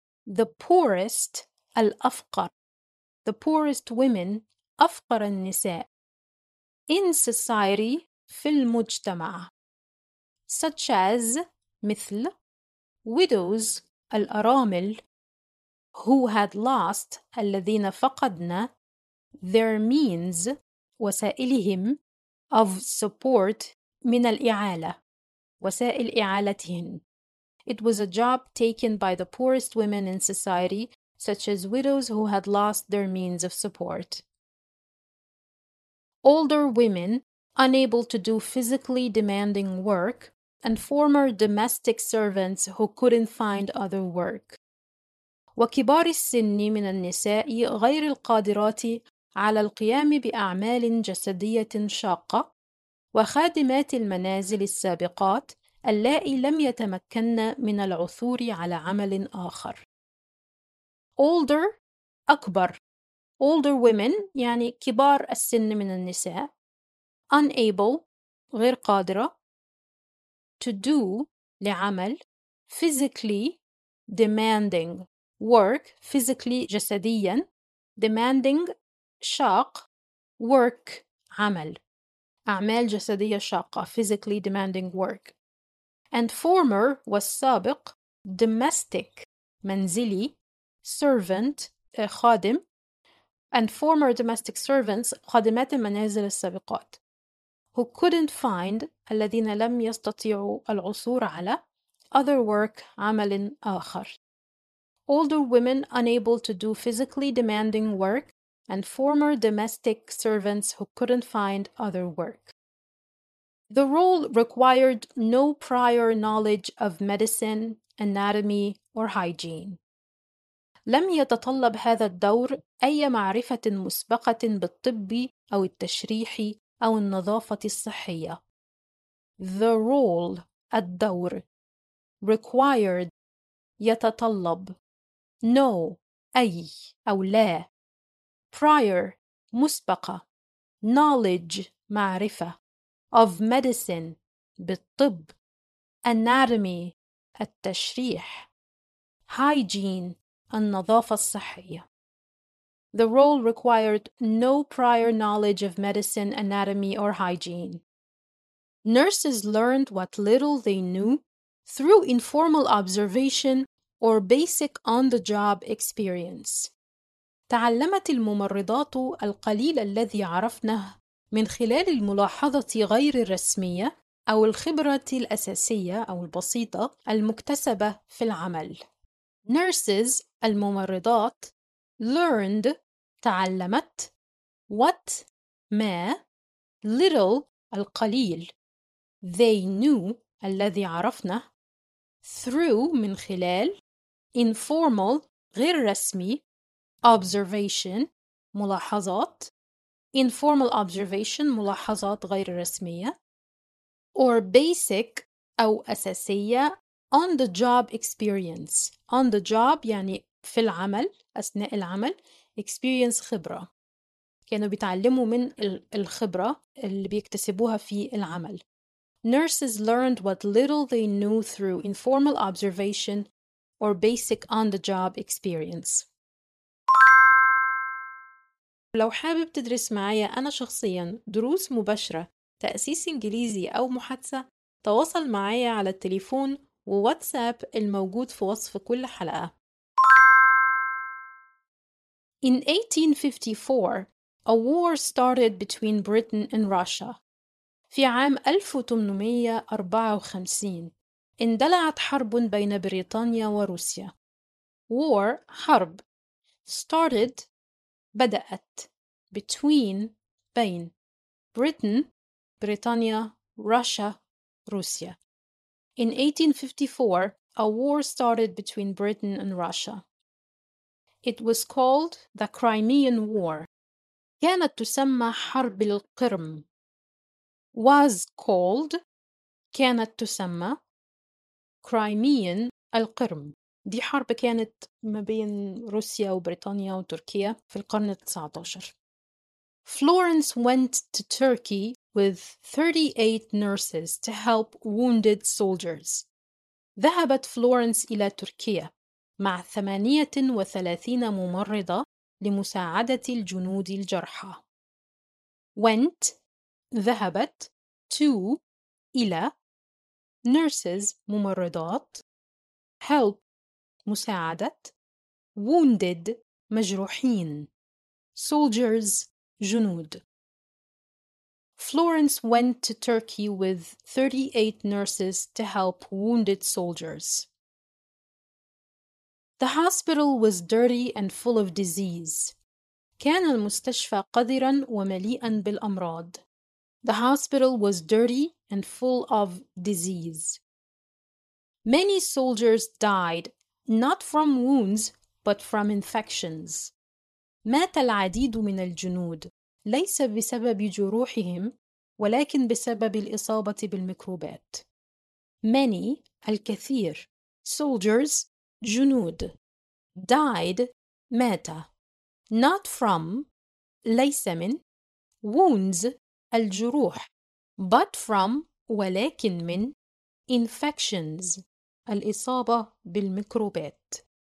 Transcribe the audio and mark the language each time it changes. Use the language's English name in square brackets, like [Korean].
[English] The poorest، [Arabic] الأفقر. [English] The poorest women، [Arabic] أفقر النساء. [English] In society، [Arabic] في المجتمع. [English] Such as، [Arabic] مثل. [English] Widows، [Arabic] الأرامل. [English] Who had lost، [Arabic] الذين فقدنا. [English] Their means، [Arabic] وسائلهم. [English] Of support، [Arabic] من الإعالة، وسائل إعالتهن. [English] It was a job taken by the poorest women in society، such as widows who had lost their means of support. Older women, unable to do physically demanding work, and former domestic servants who couldn't find other work. [Arabic] وكبار السن من النساء غير القادرات على القيام بأعمال جسدية شاقة، وخادمات المنازل السابقات اللائي لم يتمكن من العثور على عمل آخر. [English] Older، [Arabic] أكبر. [English] Older women، [Arabic] يعني كبار السن من النساء. [English] Unable، [Arabic] غير قادرة. [English] To do، [Arabic] لعمل. [English] Physically، demanding. Work، physically، [Arabic] جسديا. [English] Demanding، [Arabic] شاق. [English] Work، [Arabic] عمل. أعمال جسدية شاقة. [English] Physically demanding work. And former، [Arabic] والسابق. [English] Domestic، [Arabic] منزلي. [English] Servant، [Arabic] خادم. [English] And former domestic servants، [Arabic] خادمات المنازل السابقات. [English] Who couldn't find، [Arabic] الذين لم يستطيعوا العثور على. [English] Other work، [Arabic] عمل آخر. [English] Older women unable to do physically demanding work، and former domestic servants who couldn't find other work. The role required no prior knowledge of medicine, anatomy, or hygiene. [Arabic] لم يتطلب هذا الدور أي معرفة مسبقة بالطب أو التشريح أو النظافة الصحية. [English] The role، [Arabic] الدور. [English] Required، [Arabic] يتطلب. [English] No، [Arabic] أي أو لا. [English] Prior، [Arabic] مسبقة. [English] Knowledge، [Arabic] معرفة. [English] Of medicine، [Arabic] بالطب. [English] Anatomy، [Arabic] التشريح. [English] Hygiene، [Arabic] النظافة الصحية. [English] The role required no prior knowledge of medicine, anatomy, or hygiene. Nurses learned what little they knew through informal observation or basic on-the-job experience. [Arabic] تعلمت الممرضات القليل الذي عرفنه من خلال الملاحظة غير الرسمية أو الخبرة الأساسية أو البسيطة المكتسبة في العمل. [English] Nurses، [Arabic] الممرضات. [English] Learned، [Arabic] تعلمت. [English] What، [Arabic] ما. [English] Little، [Arabic] القليل. [English] They knew، [Arabic] الذي عرفنا. [English] Through، [Arabic] من خلال. [English] Informal، [Arabic] غير رسمي. [English] Observation، [Arabic] ملاحظات. [English] Informal observation، [Arabic] ملاحظات غير رسمية. [English] Or basic، [Arabic] أو أساسية. [English] On the job experience. On the job، [Arabic] يعني في العمل، أثناء العمل. [English] Experience، [Arabic] خبرة. كانوا بيتعلموا من الخبرة اللي بيكتسبوها في العمل. [English] Nurses learned what little they knew through informal observation or basic on-the-job experience. [Arabic] لو حابب تدرس معايا أنا شخصياً دروس مباشرة تأسيس إنجليزي أو محادثة، تواصل معايا على التليفون وواتساب الموجود في وصف كل حلقة. [English] In 1854, a war started between Britain and Russia. [Arabic] في عام 1854 اندلعت حرب بين بريطانيا وروسيا. [English] War، [Arabic] حرب. [English] Started، [Arabic] بدأت. [English] Between، [Arabic] بين. [English] Britain، [Arabic] بريطانيا. [English] Russia، Russia. In 1854, a war started between Britain and Russia. It was called the Crimean War. [Arabic] كانت تسمى حرب القرم. [English] Was called, [Arabic] كانت تسمى [English] Crimean [Arabic] القرم. دي حرب كانت ما بين روسيا وبريطانيا وتركيا في القرن التسعتاشر. [English] Florence went to Turkey with 38 nurses to help wounded soldiers. [Arabic] ذهبت فلورنس إلى تركيا مع 38 ممرضة لمساعدة الجنود الجرحى. [English] Went, [Arabic] ذهبت, [English] to, [Arabic] إلى, [English] nurses, [Arabic] ممرضات, [English] help, [Arabic] مساعدة, [English] wounded, [Arabic] مجروحين, [English] soldiers, [Arabic] جنود. [English] Florence went to Turkey with 38 nurses to help wounded soldiers. The hospital was dirty and full of disease. [Arabic] كان المستشفى قذرا ومليئا بالأمراض. [English] The hospital was dirty and full of disease. Many soldiers died, not from wounds, but from infections. [Arabic] مات العديد من الجنود ليس بسبب جروحهم ولكن بسبب الإصابة بالميكروبات. [English] Many, [Arabic] الكثير, [English] soldiers, [Arabic] جنود, [English] died, [Arabic] مات, [English] not from, [Arabic] ليس من, [English] wounds, [Arabic] الجروح, [English] but from, [Arabic] ولكن من, [English] infections, [Arabic] الإصابة بالميكروبات.